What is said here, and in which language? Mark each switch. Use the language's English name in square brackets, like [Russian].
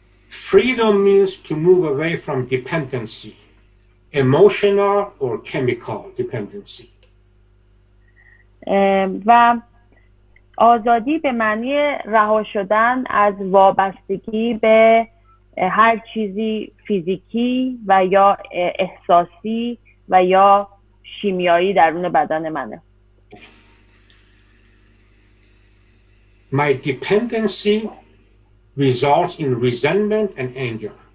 [English] Freedom means to move away from dependency, emotional or chemical dependency. [Persian] و آزادی به معنی رها شدن از وابستگی به هر چیزی فیزیکی و یا احساسی و یا شیمیایی درون بدن منه. [English] My dependency results in resentment and anger.